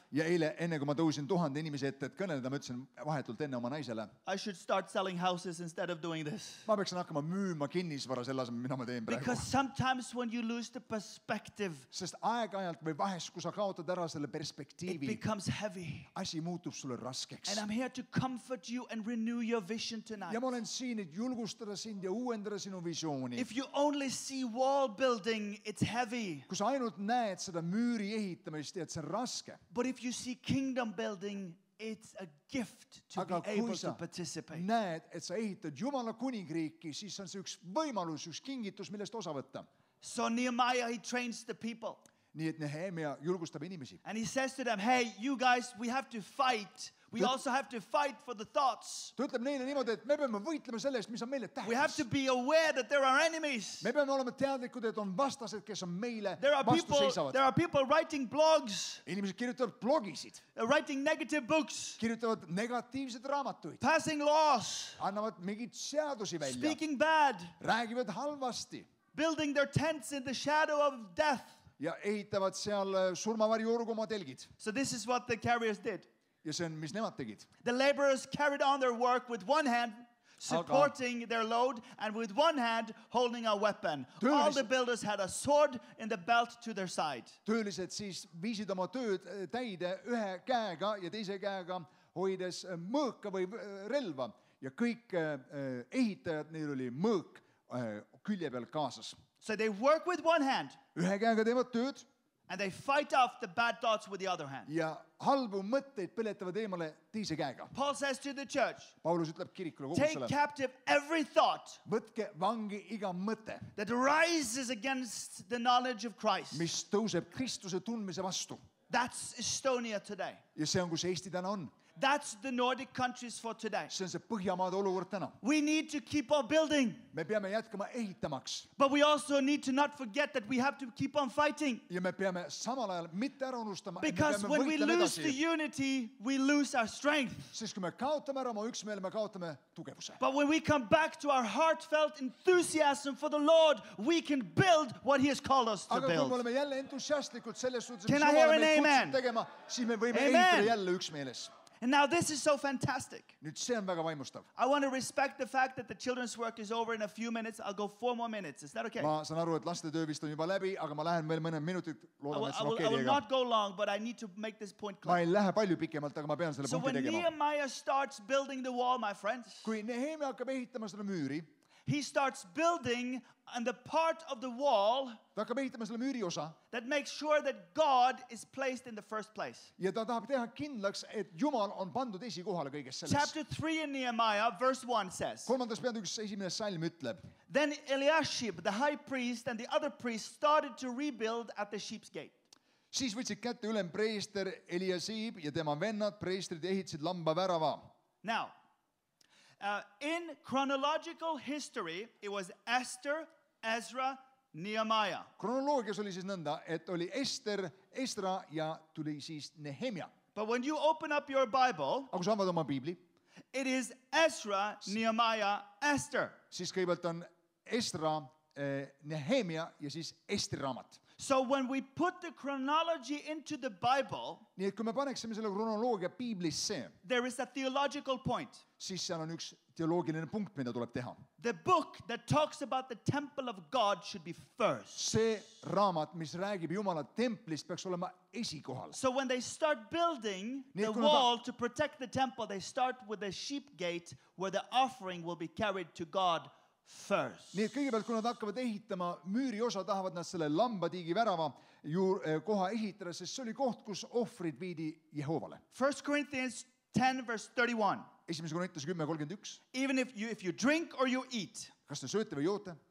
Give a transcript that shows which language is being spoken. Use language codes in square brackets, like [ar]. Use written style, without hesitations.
[et] Ja eile enne kui ma tõusin 1000 inimese ette, et kõneleda, ma ütlesin vahetult enne oma naisele. [en] I should start selling houses instead of doing this. [et] Ma peaksin hakkama müüma kinnisvara sellas, mida ma teen praegu. [en] Because sometimes when you lose the perspective. [et] Sest aeg-ajalt või vahes, kui sa kaotad ära selle perspektiivi. [en] It becomes heavy. [et] Asi muutub sulle raskeks. [en] And I'm here to comfort you and renew your vision tonight. [et] Ja ma olen siin, et julgustada sind ja uuendada sinu visiooni. [en] If you only see wall building, it's heavy. [et] Kus ainult näed seda müüri ehitamist, et see on raske. [en] But if you see kingdom building, it's a gift to [et] aga [en] be able to participate. [et] Näed, et sa ehitad Jumala kuningriiki, siis on see üks võimalus, üks kingitus, millest osa võtta. [en] So Nehemiah, he trains the people. [et] Nii et Nehemia julgustab inimesi. [en] And he says to them, hey, you guys, we have to fight. We also have to fight for the thoughts. [et] Ta ütleb neile niimoodi, et me peame võitlema sellest, mis on meile tähtis. [en] We have to be aware that there are enemies. [et] Me peame olema teadlikud, et on vastased, kes on meile vastu seisavad. [en] There are people writing blogs. [et] Inimesed kirjutavad blogisid. [en] Writing negative books. [et] Kirjutavad negatiivsed raamatuid. [en] Passing laws. [et] Annavad mingid seadusi välja. [en] Speaking bad. [et] Räägivad halvasti. [en] Building their tents in the shadow of death. [et] Ja ehitavad seal surmavarjuorgu oma telgid. [en] So this is what the carriers did. [et] Ja see on, mis nemad tegid. [en] The laborers carried on their work with one hand supporting their load and with one hand holding a weapon. [et] Töölised. [en] All the builders had a sword in the belt to their side. [et] Töölised siis viisid oma tööd täide ühe käega ja teise käega hoides mõõka või relva. ja kõik ehitajad neil oli mõõk külje peal kaasas. [en] So they work with one hand. [et] Ühe käega teevad tööd. [en] And they fight off the bad thoughts with the other hand. [et] Ja halbu mõtteid põletavad eemale teise käega. [en] Paul says to the church. [et] Paulus ütleb kirikule kogusele. [en] Take captive every thought. [et] Võtke vangi iga mõte. [en] That rises against the knowledge of Christ. [et] Mis tõuseb Kristuse tundmise vastu. [en] That's Estonia today. [et] Ja see on, kus Eesti täna on. [en] That's the Nordic countries for today. [et] See on see Põhjamaade olukord täna. [en] We need to keep on building. [et] Me peame jätkama ehitamaks. [en] But we also need to not forget that we have to keep on fighting. [et] Ja me peame samal ajal mitte ära unustama. [en] Because when we lose the unity, we lose our strength. [et] Siis kui me kaotame ära oma üksmeele, me kaotame tugevuse. [en] But when we come back to our heartfelt enthusiasm for the Lord, we can build what he has called us to [et] Aga [en] build. [et] Aga kui me oleme jälle entusiastlikult selles suhtes, [en] can I hear an amen? [et] Tegema, siis me võime ehitada jälle üksmeeles. [en] And now this is so fantastic. [et] Nüüd see on väga vaimustav. [en] I want to respect the fact that the children's work is over in a few minutes. I'll go 4 more minutes. Is that okay? [et] Ma saan aru, et laste töö vist on juba läbi, aga ma lähen veel mõned minutid. Loodan, et see on okei. [en] I will not go long, but I need to make this point clear. [et] Ma ei lähe palju pikemalt, aga ma pean selle punkti tegema. [en] So when Nehemiah starts building the wall, my friends, [et] kui Nehemiah hakkab ehitama selle müüri, [en] he starts building on the part of the wall [et] ta hakkab ehitama selle müüri osa, [en] that makes sure that God is placed in the first place. [et] Ja ta tahab teha kindlaks, et Jumal on pandud esikohale kõiges selles. [en] Chapter 3 in Nehemiah, verse 1 says, [et] kolmandas peatükis esimene salm ütleb, [en] then Eliashib, the high priest, and the other priests started to rebuild at the sheep's gate. [et] Siis võtsid kätte ülem preester Eliashib ja tema vennad preestrid ehitsid lamba värava. [en] Now, in chronological history, it was Esther, Ezra, Nehemiah. [et] Kronoloogias oli siis nõnda, et oli Ester, Ezra ja tuli siis Nehemia. [en] But when you open up your Bible, [et] aga sa avad oma Biibli, [en] it is Ezra, Nehemiah, Esther. [et] Siis kõigepealt on Ezra, Nehemia ja siis Ester raamat. [en] So when we put the chronology into the Bible, [et] nii et kui me paneksime selle kronoloogia Biiblisse, [en] there is a theological point. [et] Siis seal on üks teoloogiline punkt, mida tuleb teha. [en] The book that talks about the temple of God should be first. [et] See raamat, mis räägib Jumala templist, peaks olema esikohal. [en] So when they start building the wall to protect the temple, they start with the sheep gate where the offering will be carried to God first. [et] Nii et kõigepealt, kui nad hakkavad ehitama müüri osa, tahavad nad selle lambatiigi värava koha ehitada, sest see oli koht, kus ohvrid viidi Jehovale. [en] 1 Corinthians 10 verse 31. [et] Esimese Korintuse 10:31. [en] Even if you drink or you eat, [et] kas te sööte või joote,